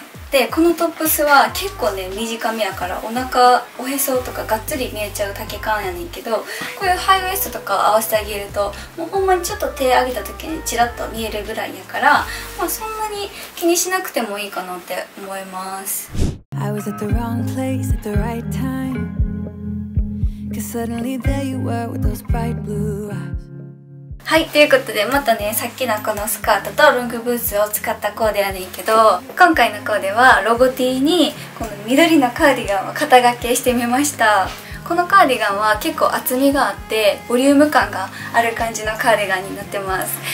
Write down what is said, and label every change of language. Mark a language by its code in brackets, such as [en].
[ja] で、このトップスは結構ね短めやからお腹、おへそとかがっつり見えちゃう丈感やねんけど、こういうハイウエストとか合わせてあげるともうほんまにちょっと手上げた時にチラッと見えるぐらいやから、まあそんなに気にしなくてもいいかなって思います。 [en] I was at the wrong place at the right time. Cause suddenly there you were with those bright blue eyes. [ja] はい、ということでまたね、さっきのこのスカートとロングブーツを使ったコーデやねんけど、今回のコーデはロゴTにこの緑のカーディガンを肩掛けしてみました。このカーディガンは結構厚みがあってボリューム感がある感じのカーディガンになってます。